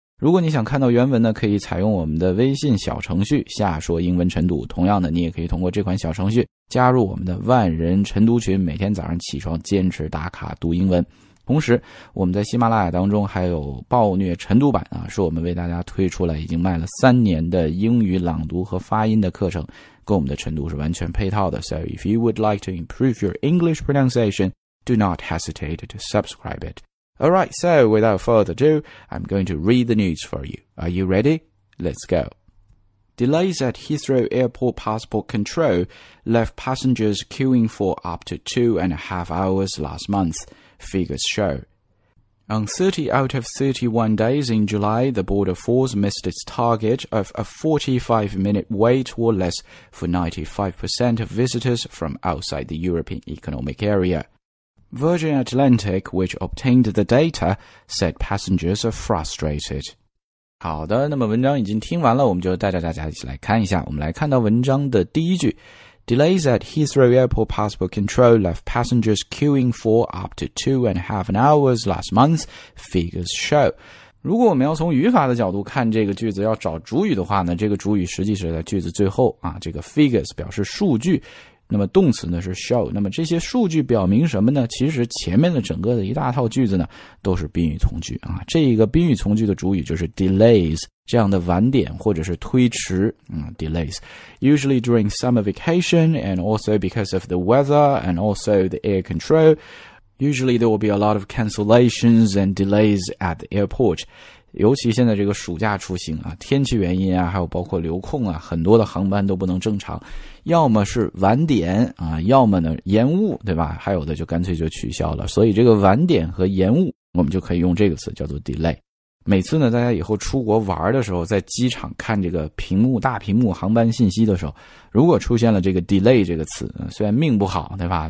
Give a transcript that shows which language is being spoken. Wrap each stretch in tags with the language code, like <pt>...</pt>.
<zh>如果你想看到原文呢，可以采用我们的微信小程序下说英文晨读，同样的你也可以通过这款小程序加入我们的万人晨读群，每天早上起床坚持打卡读英文。同时我们在喜马拉雅当中还有暴虐晨读版啊，是我们为大家推出了已经卖了3年的英语朗读和发音的课程，跟我们的晨读是完全配套的。</zh> <en>So if you would like to improve your English pronunciation, do not hesitate to subscribe it. Alright, so without further ado, I'm going to read the news for you. Are you ready? Let's go. Delays at Heathrow Airport passport control left passengers queuing for up to 2.5 hours last month. Figures show. On 30 out of 31 days in July, the Border Force missed its target of a 45-minute wait or less for 95% of visitors from outside the European Economic Area. Virgin Atlantic, which obtained the data, said passengers are frustrated.</en> <zh>好的，那么文章已经听完了，我们就带着大家一起来看一下。我们来看到文章的第一句。</zh> <en>Delays at Heathrow Airport passport control left passengers queuing for up to 2.5 hours last month, figures show.</en> <zh>如果我们要从语法的角度看这个句子，要找主语的话呢，这个主语实际是在句子最后啊，这个 figures 表示数据，那么动词呢是 show, 那么这些数据表明什么呢？其实前面的整个的一大套句子呢都是宾语从句啊，这个宾语从句的主语就是 delays, 这样的晚点或者是推迟、delays.</zh> <en>Usually during summer vacation and also because of the weather and also the air control, usually there will be a lot of cancellations and delays at the airport.</en> <zh>尤其现在这个暑假出行啊，天气原因啊，还有包括流控啊，很多的航班都不能正常，要么是晚点啊，要么呢延误，对吧？还有的就干脆就取消了。所以这个晚点和延误，我们就可以用这个词叫做 delay。每次呢，大家以后出国玩的时候，在机场看这个屏幕大屏幕航班信息的时候，如果出现了这个 delay 这个词，虽然命不好，对吧？</zh>